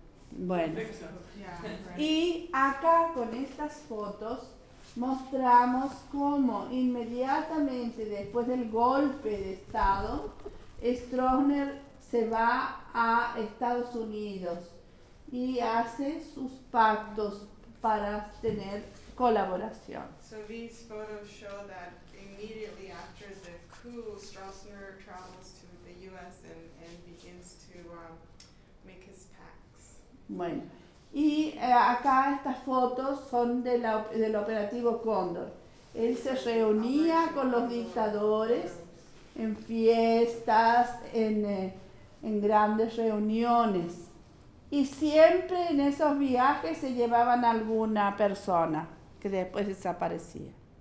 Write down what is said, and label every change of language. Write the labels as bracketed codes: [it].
[es] Bueno, y acá con estas fotos mostramos cómo inmediatamente después del golpe de Estado, Stroessner se va a Estados Unidos y hace sus pactos para tener colaboración. [en] So these photos show that immediately after the coup, Stroessner travels to the US and begins to make his pacts. [es] Bueno. Y acá estas fotos son del operativo Cóndor. Él se reunía con los dictadores en fiestas, en grandes reuniones. Y siempre en esos viajes se llevaban alguna persona que después desaparecía.